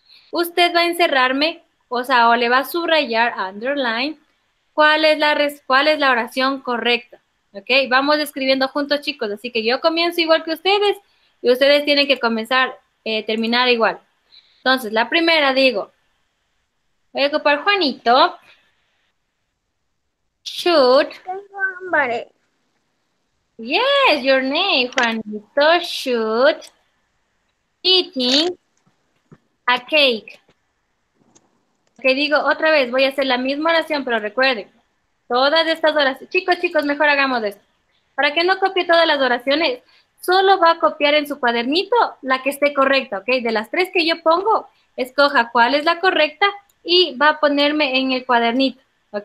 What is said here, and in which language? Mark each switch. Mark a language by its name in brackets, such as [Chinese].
[Spanish] Usted va a encerrarme, o sea, o le va a subrayar, underline, cuál es la oración correcta, ¿ok? Vamos escribiendo juntos, chicos, así que yo comienzo igual que ustedes y ustedes tienen que comenzar, terminar igual. Entonces, la primera digo, voy a ocupar Juanito. [English] Should. [Spanish] Tengo hambre. [English] Yes, your name, Juanito, should eating a cake. [Spanish] Ok, digo otra vez, voy a hacer la misma oración, pero recuerden, todas estas oraciones, chicos, mejor hagamos esto. Para que no copie todas las oraciones, solo va a copiar en su cuadernito la que esté correcta, ok. De las tres que yo pongo, escoja cuál es la correcta y va a ponerme en el cuadernito, ok.